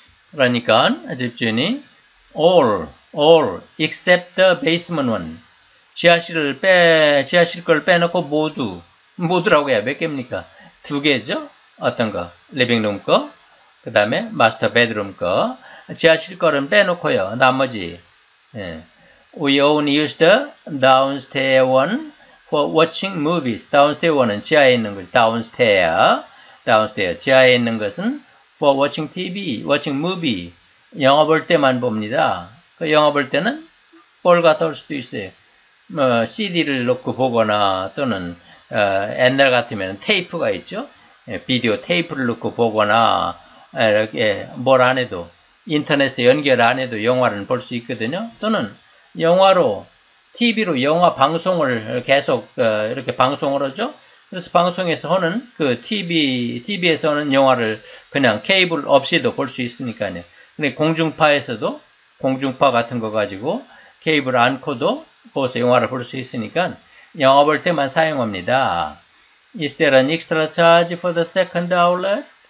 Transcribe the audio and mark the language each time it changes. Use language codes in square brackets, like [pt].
[ko] 그러니까 집주인이 [en] all except the basement one. [ko] 지하실 걸 빼놓고 모두라고 해야 몇 개입니까? 두 개죠? 어떤 거? 리빙룸 거? 그 다음에 마스터 베드룸 거? 지하실 거는 빼놓고요. 나머지. 예. [en] We only use the downstairs one for watching movies. [ko] Downstairs one은 지하에 있는 거죠. Downstairs. 지하에 있는 것은 [en] for watching TV, watching movie. [ko] 영화 볼 때만 봅니다. 그 영화 볼 때는 볼 갖다 올 수도 있어요. 뭐 CD를 놓고 보거나 또는 옛날 같으면 테이프가 있죠. 예, 비디오 테이프를 놓고 보거나 이렇게 뭘 안 해도 인터넷에 연결 안 해도 영화를 볼 수 있거든요. 또는 영화로 TV로 영화 방송을 계속 이렇게 방송을 하죠. 그래서 방송에서 하는 그 TV에서 하는 영화를 그냥 케이블 없이도 볼 수 있으니까요. 근데 공중파에서도 공중파 같은 거 가지고 케이블 안고도 거기서 영화를 볼 수 있으니까 영화 볼 때만 사용합니다. [en] Is there an extra charge for the second outlet?